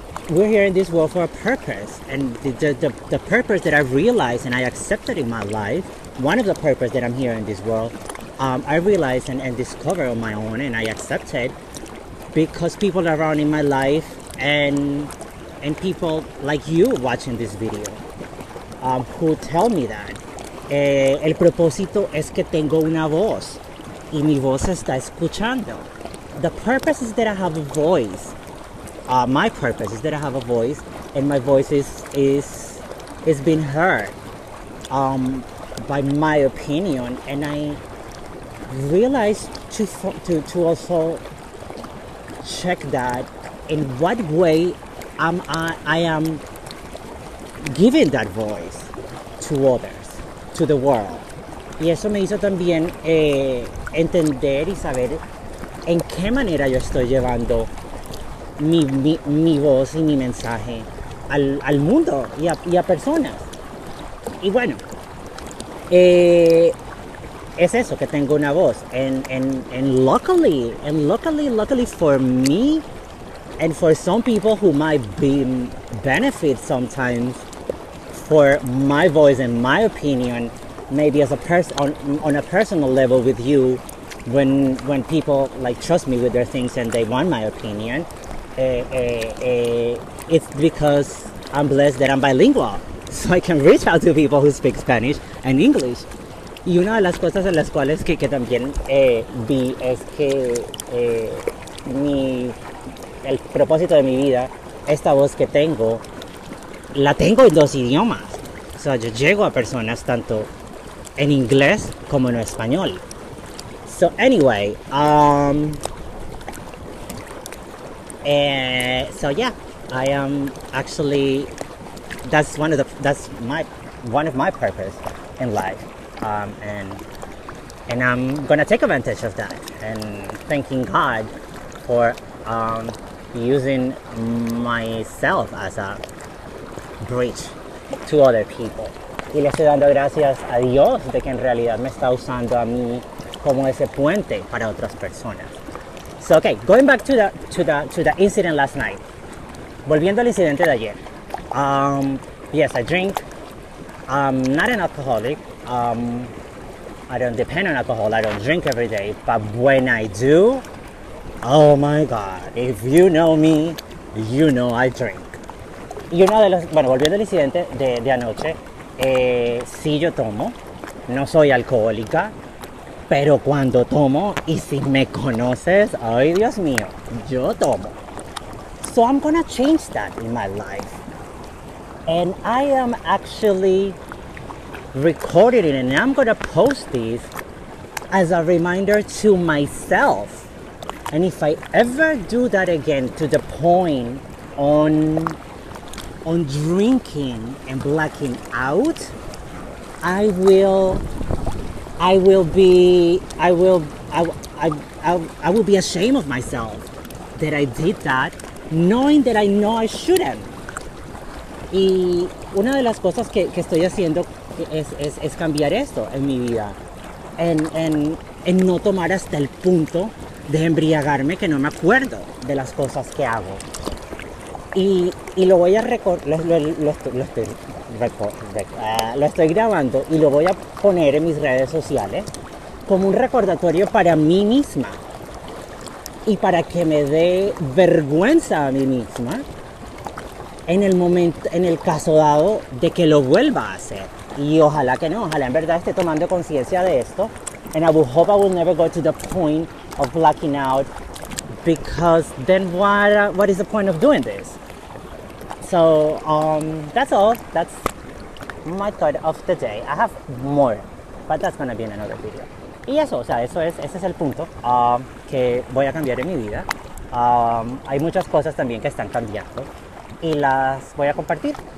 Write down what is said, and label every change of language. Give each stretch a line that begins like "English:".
English: We're here in this world for a purpose. And the purpose that I've realized and I accepted in my life, one of the purpose that I'm here in this world, I realized and discovered on my own, and I accepted because people around in my life and people like you watching this video who tell me that.
Spanish: El propósito es que tengo una voz y mi voz está escuchando.
English: The purpose is that I have a voice. My purpose is that I have a voice and my voice is being heard by my opinion. And I realized to also check that in what way I am giving that voice to others. To the world.
Spanish: Y eso me hizo también entender y saber en qué manera yo estoy llevando mi voz y mi mensaje al mundo y a personas. Y bueno, es eso, que tengo una voz.
English: And luckily for me, and for some people who might be benefit sometimes for my voice and my opinion, maybe as a person on a personal level with you, when people like trust me with their things and they want my opinion, it's because I'm blessed that I'm bilingual, so I can reach out to people who speak Spanish and English.
Spanish: Y una de las cosas en las cuales que también vi es que mi el propósito de mi vida, esta voz que tengo, la tengo en dos idiomas. O sea, yo llego a personas tanto en inglés como en español.
English: So anyway, I am actually, that's one of my purpose in life. And I'm gonna take advantage of that, and thanking God for using myself as a bridge to other people.
Spanish: Y le estoy dando gracias a Dios de que en realidad me está usando a mí como ese puente para otras personas.
English: So okay, going back to the incident last night.
Spanish: Volviendo al incidente de ayer.
English: Yes, I drink. I'm not an alcoholic. I don't depend on alcohol. I don't drink every day. But when I do, oh my God! If you know me, you know I drink.
Spanish: Y una de las, bueno, volviendo al incidente de anoche, sí yo tomo. No soy alcohólica, pero cuando tomo, y si me conoces, ay Dios mío, yo tomo.
English: So I'm gonna change that in my life, and I am actually recorded it, and I'm gonna post this as a reminder to myself. And if I ever do that again to the point on drinking and blacking out, I will be ashamed of myself that I did that, knowing that I know I shouldn't.
Spanish: Y una de las cosas que estoy haciendo es cambiar esto en mi vida. En no tomar hasta el punto de embriagarme que no me acuerdo de las cosas que hago. Y lo voy a lo estoy grabando y lo voy a poner en mis redes sociales como un recordatorio para mí misma. Y para que me dé vergüenza a mí misma en el momento, en el caso dado de que lo vuelva a hacer. Y ojalá que no, ojalá en verdad esté tomando conciencia de esto.
English: And I will hope I will never go to the point of blacking out, because then what is the point of doing this? So that's all. That's my thought of the day. I have more, but that's gonna be in another video.
Spanish: Y eso, o sea, eso es, ese es el punto que voy a cambiar en mi vida. Hay muchas cosas también que están cambiando y las voy a compartir.